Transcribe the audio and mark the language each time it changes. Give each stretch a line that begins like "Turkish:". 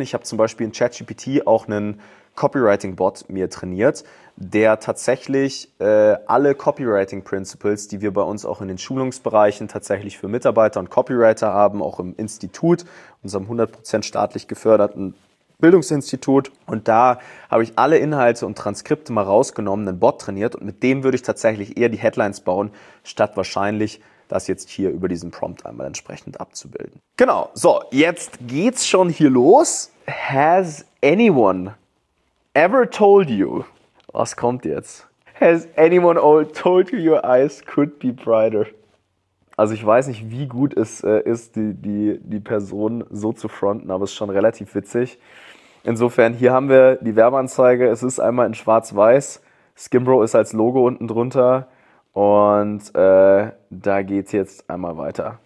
German: Ich habe zum Beispiel in ChatGPT auch einen Copywriting-Bot mir trainiert, der tatsächlich alle Copywriting-Principles, die wir bei uns auch in den Schulungsbereichen tatsächlich für Mitarbeiter und Copywriter haben, auch im Institut, unserem 100% staatlich geförderten Bildungsinstitut, und da habe ich alle Inhalte und Transkripte mal rausgenommen, einen Bot trainiert, und mit dem würde ich tatsächlich eher die Headlines bauen, statt wahrscheinlich das jetzt hier über diesen Prompt einmal entsprechend abzubilden. Genau, so, jetzt geht's schon hier los.
English: Has anyone ever told you?
German: Was kommt jetzt?
English: Has anyone told you your eyes could be brighter?
German: Also ich weiß nicht, wie gut es ist, die Person so zu fronten, aber es ist schon relativ witzig. Insofern, hier haben wir die Werbeanzeige. Es ist einmal in schwarz-weiß. Skimbrow ist als Logo unten drunter. Und da geht's jetzt einmal weiter.